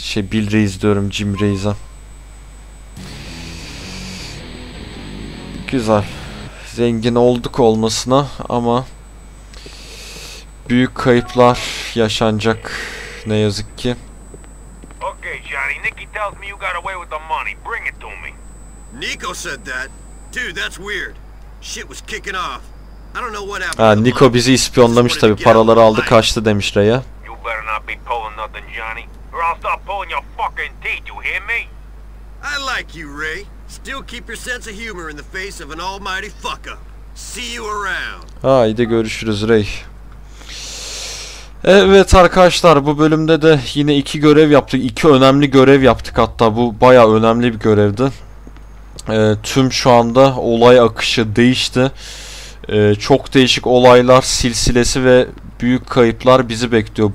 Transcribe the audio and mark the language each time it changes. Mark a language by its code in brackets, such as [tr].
[tr] Şey Bill Reyes diyorum, Jim Reyes'a. Güzel. Zengin olduk olmasına ama büyük kayıplar yaşanacak ne yazık ki. [en] Okay, Johnny. Nikki tells me you got away with the money. Bring it to me. Niko said that. Dude, that's weird. Shit was kicking off. I don't know what happened. [tr] Ha, Niko bizi ispiyonlamış tabii. Paraları aldı, kaçtı demiş Ray'a. [en] You better not be pulling nothing, Johnny, or I'll start pulling your fucking teeth, you hear me? I like you, Ray. Still keep your sense of humor in the face of an almighty fuck up. See you around. [tr] Haydi görüşürüz Ray. Evet arkadaşlar, bu bölümde de yine iki görev yaptık. İki önemli görev yaptık hatta, bu bayağı önemli bir görevdi. Tüm şu anda olay akışı değişti. Çok değişik olaylar silsilesi ve büyük kayıplar bizi bekliyor.